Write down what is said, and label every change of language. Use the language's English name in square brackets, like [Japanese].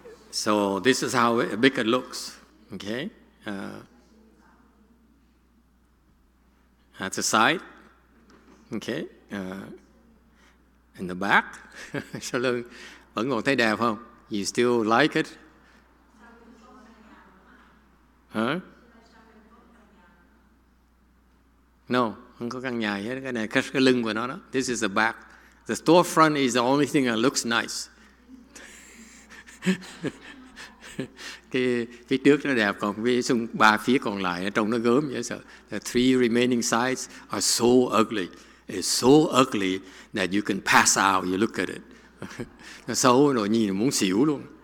[English] So this is how big it looks, okay? At the side, okay, in the back, [Vietnamese] sau lưng, vẫn còn thấy đẹp không? [English] You still like it? Huh? [Vietnamese] No, không có căn nhà hết, cái này cách cái lưng của nó đó. [English] This is the back. The storefront is the only thing that looks nice. [Vietnamese] Cái phía trước nó đẹp, còn phía xung ba phía còn lại nó trông nó gớm dễ sợ. [English] The three remaining sides are so ugly. It's so ugly that you can pass out you look at it. [Vietnamese] Nó xấu rồi, nhìn muốn xỉu luôn.